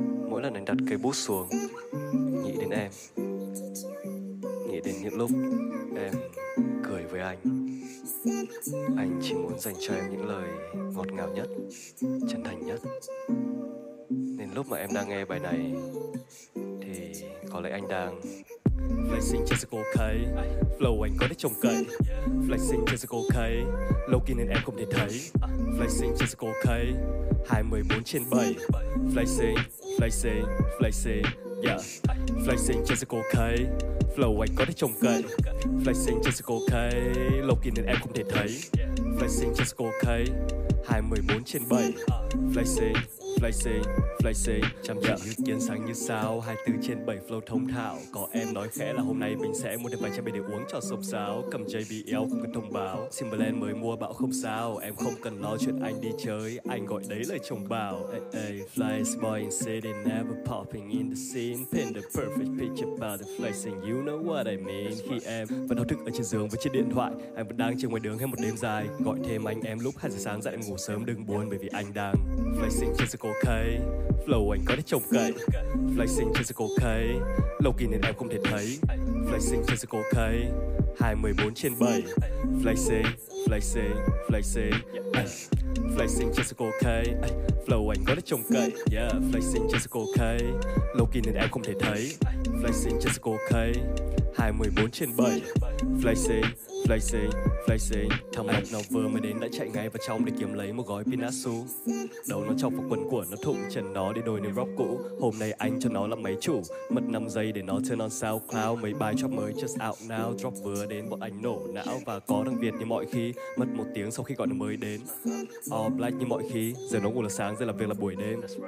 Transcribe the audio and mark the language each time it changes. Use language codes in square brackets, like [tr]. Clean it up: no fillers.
[vi] Mỗi lần anh đặt cây bút xuống, nghĩ đến em, nghĩ đến những lúc em cười với anh, anh chỉ muốn dành cho em những lời ngọt ngào nhất, chân thành nhất. Nên lúc mà em đang nghe bài này thì có lẽ anh đang flexing trên sức ok, flow anh có đấy trông cậy. Flexing trên sức ok, lâu kia nên em không thể thấy. Flexing trên sức ok, 24/7. [en] Flexing, flexing, flexing, yeah. [vi] Flexing trên sức ok, flow anh có đấy trông cậy. Flexing trên sức ok, lâu kia nên em không thể thấy. Flexing trên sức ok, 24/7. Flexing, flexing, flexing, chăm chỉ như kiến sáng như sao, 24/7 flow thông thạo. Có em nói khẽ là hôm nay mình sẽ mua được vài chai bia để uống cho sộp sáo. Cầm JBL không cần thông báo, Timberland mới mua bão không sao. Em không cần lo chuyện anh đi chơi, anh gọi đấy lời chồng bảo. [en] Hey, hey, flies boy in city never popping in the scene. Paint the perfect picture about the flexing, you know what I mean. [vi] Khi em vẫn thao thức ở trên giường với chiếc điện thoại, anh vẫn đang chơi ngoài đường hết một đêm dài. Gọi thêm anh em lúc 2 giờ sáng dậy em ngủ sớm, đừng buồn bởi vì anh đang flexing trên sức ok, flow anh có thể trông cậy. Flexing trên sức ok, lâu kỳ nên em không thể thấy. Flexing trên sức ok, 24/7. Flexing, flexing, flexing, flexing trên sức ok, flow anh có thể trông cậy. Yeah, flexing trên sức ok, lâu kỳ nên em không thể thấy. Flexing trên sức ok, 24/7. [en] Flexing, flexing, flexing. [vi] Thằng mập nó vừa mới đến đã chạy ngay vào trong để kiếm lấy một gói pinasu. Đầu nó chọc vào quần của nó, thụng chân nó để đổi nền rock cũ. Hôm nay anh cho nó làm máy chủ, mất 5 giây để nó [en] turn on [vi] SoundCloud. Mấy bài drop mới [en] just out now, [vi] drop vừa đến bọn anh nổ não. Và có đặc biệt như mọi khi, mất 1 tiếng sau khi gọi nó mới đến. All black như mọi khi, giờ nó ngủ là sáng, giờ làm việc là buổi đêm.